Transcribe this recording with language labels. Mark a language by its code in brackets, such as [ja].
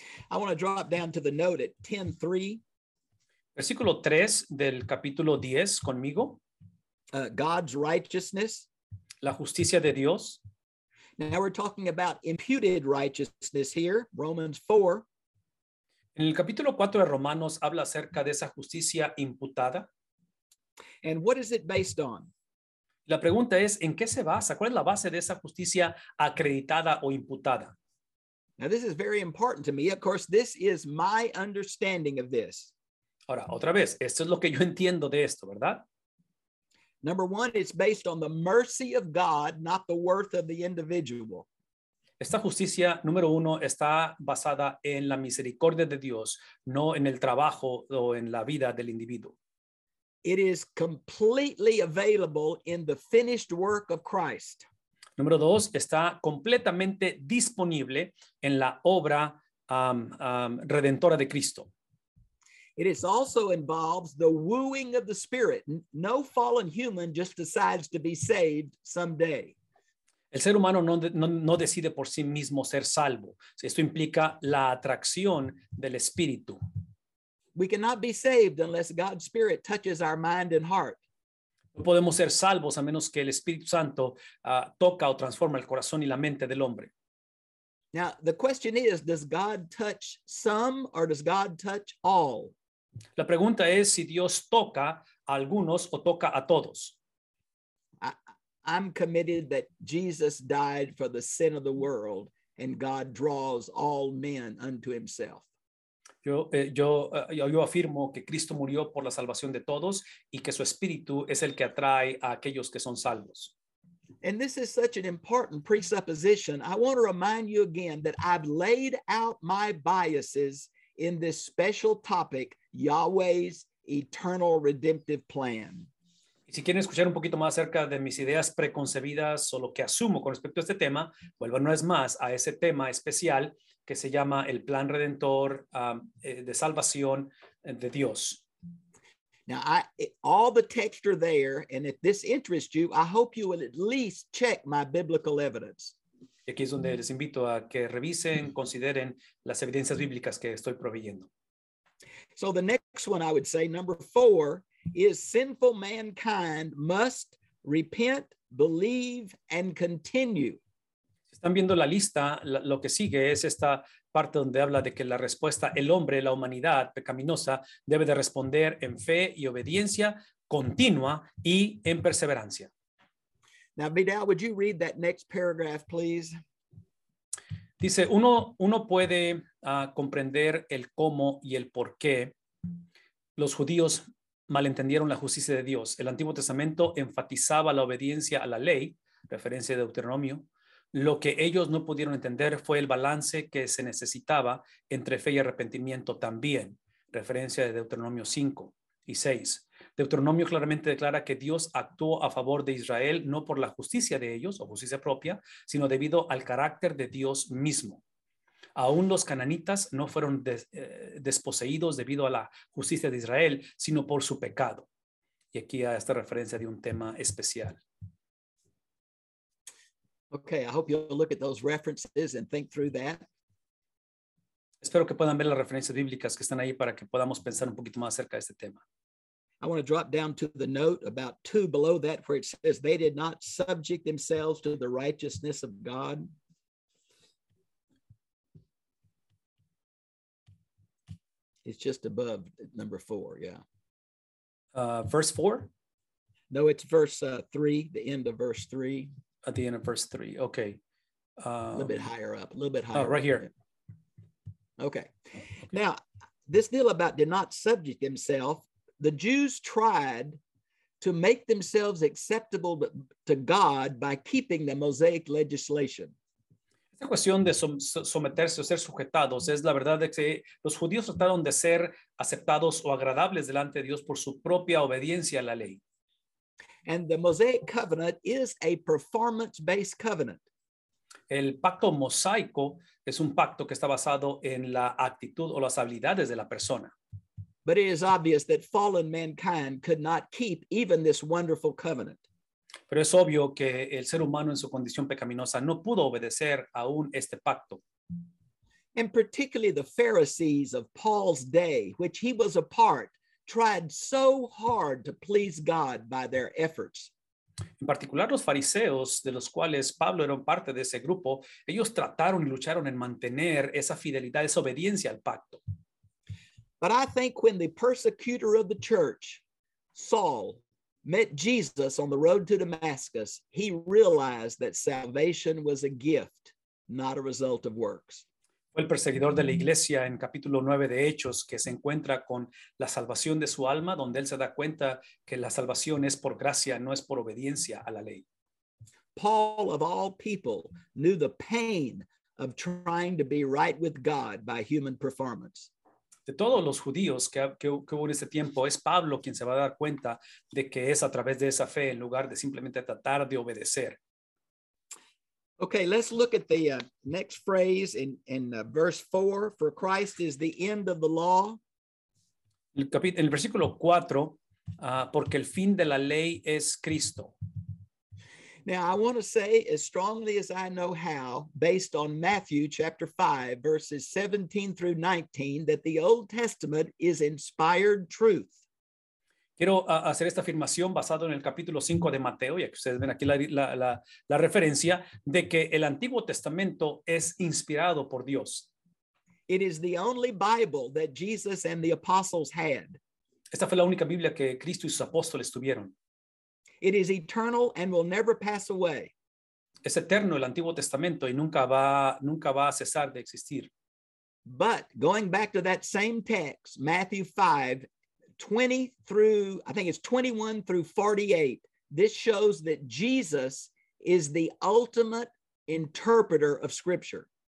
[en] I want to drop down to the note at 10:3. [es] Versículo 3 del capítulo 10 conmigo. [en] God's righteousness. [es] La justicia de Dios. [en] Now we're talking about imputed righteousness here, Romans 4. [es] En el capítulo 4 de Romanos habla acerca de esa justicia imputada. [en] And what is it based on? [es] La pregunta es, ¿en qué se basa? ¿Cuál es la base de esa justicia acreditada o imputada? [en] Now this is very important to me. Of course, this is my understanding of this. [es] Ahora, otra vez, esto es lo que yo entiendo de esto, ¿verdad? [en] Number one, it's based on the mercy of God, not the worth of the individual. [es] Esta justicia, número uno, está basada en la misericordia de Dios, no en el trabajo o en la vida del individuo. [en] It is completely available in the finished work of Christ. [es] Número dos, está completamente disponible en la obra redentora de Cristo. [en] It is also involves the wooing of the Spirit. No fallen human just decides to be saved someday. [es] El ser humano no decide por sí mismo ser salvo. Esto implica la atracción del Espíritu. [en] We cannot be saved unless God's Spirit touches our mind and heart. [es] No podemos ser salvos a menos que el Espíritu Santo toca o transforma el corazón y la mente del hombre. [en] Now, the question is, does God touch some or does God touch all? [es] La pregunta es si Dios toca a algunos o toca a todos. [en] I'm committed that Jesus died for the sin of the world and God draws all men unto himself. [es] Yo afirmo que Cristo murió por la salvación de todos y que su espíritu es el que atrae a aquellos que son salvos. [en] And this is such an important presupposition. I want to remind you again that I've laid out my biases in this special topic, Yahweh's eternal redemptive plan. [es] Y si quieren escuchar un poquito más acerca de mis ideas preconcebidas o lo que asumo con respecto a este tema, vuelvan una vez más a ese tema especial que se llama el plan redentor de salvación de Dios. [en] Now, all the text are there, and if this interests you, I hope you will at least check my biblical evidence. [es] Y aquí es donde les invito a que revisen, consideren las evidencias bíblicas que estoy proveyendo. [en] So the next one I would say, number four, is sinful mankind must repent, believe, and continue. [es] Si están viendo la lista, lo que sigue es esta parte donde habla de que la respuesta, el hombre, la humanidad pecaminosa, debe de responder en fe y obediencia continua y en perseverancia. [en] Now, Vidal, would you read that next paragraph, please? [es] Dice, uno puede comprender el cómo y el por qué los judíos malentendieron la justicia de Dios. El Antiguo Testamento enfatizaba la obediencia a la ley, referencia de Deuteronomio. Lo que ellos no pudieron entender fue el balance que se necesitaba entre fe y arrepentimiento también, referencia de Deuteronomio 5 y 6. Deuteronomio claramente declara que Dios actuó a favor de Israel no por la justicia de ellos o justicia propia, sino debido al carácter de Dios mismo. Aún los cananitas no fueron desposeídos debido a la justicia de Israel, sino por su pecado. Y aquí a esta referencia de un tema especial. [en] Okay, I hope you'll look at those references and think through that. [es] Espero que puedan ver las referencias bíblicas que están ahí para que podamos pensar un poquito más acerca de este tema. [en] I want to drop down to the note about two below that where it says they did not subject themselves to the righteousness of God. It's just above number four, yeah. Verse four? No, it's verse three, the end of verse three. At the end of verse three, okay. A little bit higher up, a little bit higher. Oh, right here. Okay. Now, this deal about did not subject himself, the Jews tried to make themselves acceptable to God by keeping the Mosaic legislation. [es] Esta cuestión de someterse o ser sujetados es la verdad de que los judíos trataron de ser aceptados o agradables delante de Dios por su propia obediencia a la ley. [en] And the Mosaic covenant is a performance-based covenant. [es] El pacto mosaico es un pacto que está basado en la actitud o las habilidades de la persona. [en] But it is obvious that fallen mankind could not keep even this wonderful covenant. [es] Pero es obvio que el ser humano en su condición pecaminosa no pudo obedecer aún este pacto. [en] And particularly the Pharisees of Paul's day, which he was a part, tried so hard to please God by their efforts. [es] En particular los fariseos, de los cuales Pablo era parte de ese grupo, ellos trataron y lucharon en mantener esa fidelidad, esa obediencia al pacto. [en] But I think when the persecutor of the church, Saul, met Jesus on the road to Damascus, he realized that salvation was a gift, not a result of works. [es] Fue el perseguidor de la iglesia en capítulo 9 de Hechos que se encuentra con la salvación de su alma, donde él se da cuenta que la salvación es por gracia, no es por obediencia a la ley. [en] Paul, of all people, knew the pain of trying to be right with God by human performance. [es] De todos los judíos que hubo en ese tiempo, es Pablo quien se va a dar cuenta de que es a través de esa fe en lugar de simplemente tratar de obedecer. [en] Okay, let's look at the next phrase in verse 4. For Christ is the end of the law. [es] El versículo 4, porque el fin de la ley es Cristo. [en] Now, I want to say as strongly as I know how, based on Matthew chapter 5, verses 17 through 19, that the Old Testament is inspired truth. [es] Quiero hacer esta afirmación basado en el capítulo 5 de Mateo, ya que ustedes ven aquí la referencia, de que el Antiguo Testamento es inspirado por Dios. [en] It is the only Bible that Jesus and the apostles had. [es] Esta fue la única Biblia que Cristo y sus apóstoles tuvieron. [en] It is eternal and will never pass away. [es] Es eterno el Antiguo Testamento y nunca va a cesar de existir. [en] But going back to that same text, Matthew 5, 20 through, I think it's 21 through 48, this shows that Jesus is the ultimate interpreter of Scripture.